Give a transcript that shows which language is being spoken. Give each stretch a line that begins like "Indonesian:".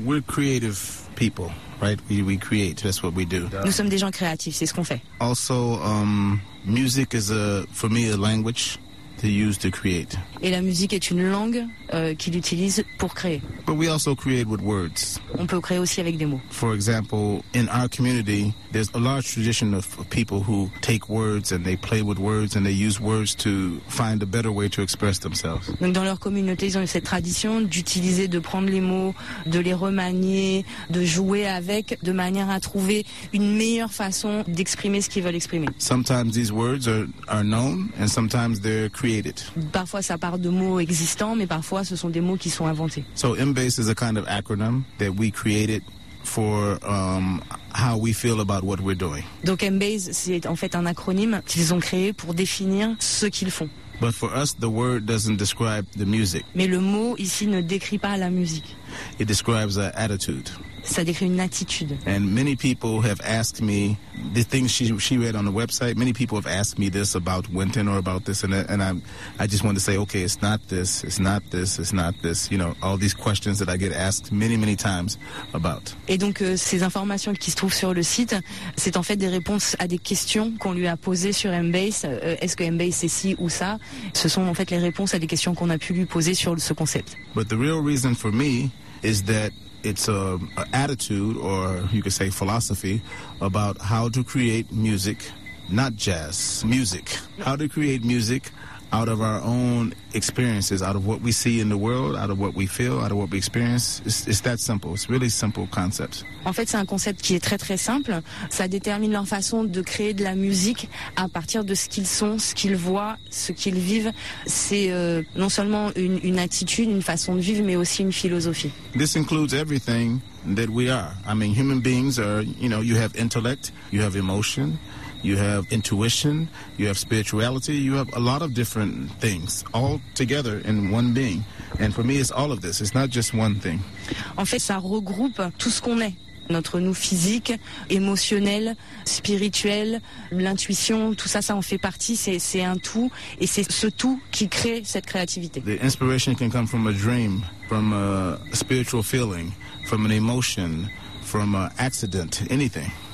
English: We're creative people. Right, we create. That's what we do.
French: Nous sommes des gens créatifs, c'est ce qu'on fait.
English: Also, music is for me a language to use to create.
French: Et la musique est une langue qu'il utilise pour créer.
English: But we also create with words.
French: On peut créer aussi avec des mots.
English: For example, in our community, there's a large tradition of people who take words and they play with words and they use words to find a better way to express themselves.
French: Donc dans leur communauté, ils ont cette tradition d'utiliser, de prendre les mots, de les remanier, de jouer avec, de manière à trouver une meilleure façon d'exprimer ce qu'ils veulent exprimer.
English: Sometimes these words are known and sometimes they're created.
French: Parfois ça part de mots existants, mais parfois ce sont des mots qui sont inventés.
English: So M-Bass is a kind of acronym that we created for how we feel about what we're doing.
French: Donc M-Bass c'est en fait un acronyme qu'ils ont créé pour définir ce qu'ils font.
English: But for us, the word doesn't describe the music.
French: Mais le mot ici ne décrit pas la musique.
English: It describes an attitude.
French: Ça décrit une attitude.
English: And many people have asked me the things she read on the website. Many people have asked me this about Winton or about this, and I just want to say, okay, it's not this, it's not this, it's not this. You know, all these questions that I get asked many, many times about.
French: Et donc ces informations qui se trouvent sur le site, c'est en fait des réponses à des questions qu'on lui a posées sur M-Bass. Est-ce que M-Bass c'est ci ou ça? Ce sont en fait les réponses à des questions qu'on a pu lui poser sur ce concept.
English: But the real reason for me is that it's an attitude, or you could say philosophy, about how to create music, not jazz, music. How to create music out of our own experiences, out of what we see in the world, out of what we feel, out of what we experience. It's that simple. It's really simple concept.
French: En fait, c'est un concept qui est très très simple. Ça détermine leur façon de créer de la musique à partir de ce qu'ils sont, ce qu'ils voient, ce qu'ils vivent. C'est non seulement une attitude, une façon de vivre, mais aussi une philosophie.
English: This includes everything that we are. I mean, human beings are, you know, you have intellect, you have emotion, you have intuition, you have spirituality, you have a lot of different things all together in one being. And for me, it's all of this. It's not just one thing.
French: En fait, ça regroupe tout ce qu'on est. Notre nous physique, émotionnel, spirituel, l'intuition, tout ça, ça en fait partie. C'est un tout. Et c'est ce tout qui crée cette créativité.
English: The inspiration can come from a dream, from a spiritual feeling, from an emotion, from an accident, anything.